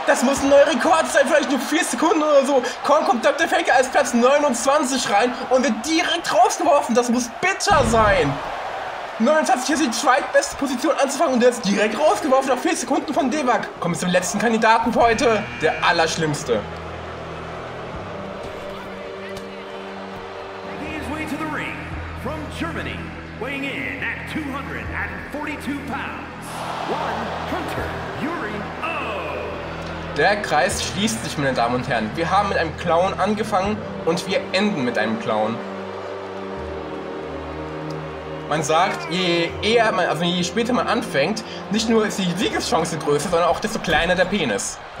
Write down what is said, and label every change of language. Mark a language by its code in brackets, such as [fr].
[de] Das muss ein neuer Rekord sein, vielleicht nur 4 Sekunden oder so. Komm, kommt Dr. Faker als Platz 29 rein und wird direkt rausgeworfen. Das muss bitter sein. 29 ist die zweitbeste Position anzufangen und der ist direkt rausgeworfen nach 4 Sekunden von Devak. Komm, zum letzten Kandidaten für heute. Der Allerschlimmste. [en] His way to the ring from Germany, weighing in at 242 pounds. One Hunter Yuri O. [de] Der Kreis schließt sich, meine Damen und Herren. Wir haben mit einem Clown angefangen und wir enden mit einem Clown. Man sagt, je eher man, also je später man anfängt, nicht nur ist die Siegeschance größer, sondern auch desto kleiner der Penis.